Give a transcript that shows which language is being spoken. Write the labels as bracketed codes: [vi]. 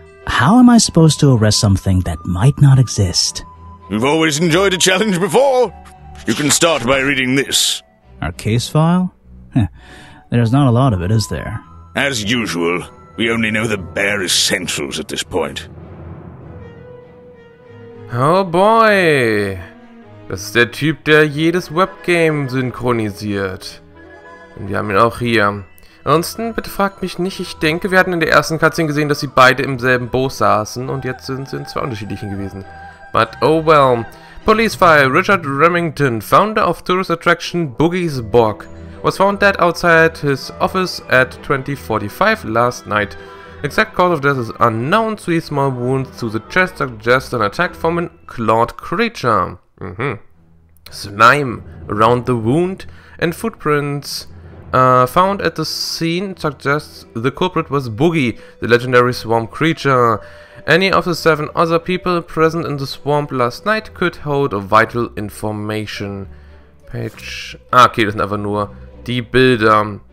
[en] How am I supposed to arrest something that might not exist? You've always enjoyed a challenge before. You can start by reading this. Our case file? There's not a lot of it, is there? As usual, we only know the bare essentials at this point. Oh boy! [de] Das ist der Typ, der jedes Webgame synchronisiert. Und wir haben ihn auch hier. Ansonsten, bitte fragt mich nicht, ich denke, wir hatten in der ersten Cutscene gesehen, dass sie beide im selben Boot saßen und jetzt sind sie in zwei unterschiedlichen gewesen. [en] But oh well. Police file, Richard Remington, founder of tourist attraction Boogie's Bog, was found dead outside his office at 2045 last night. Exact cause of death is unknown, three small wounds to the chest suggest an attack from a clawed creature. Slime around the wound and footprints found at the scene suggests the culprit was Boogie, the legendary swamp creature. Any of the seven other people present in the swamp last night could hold vital information. Page... [de] Ah, okay, das sind einfach nur die Bilder.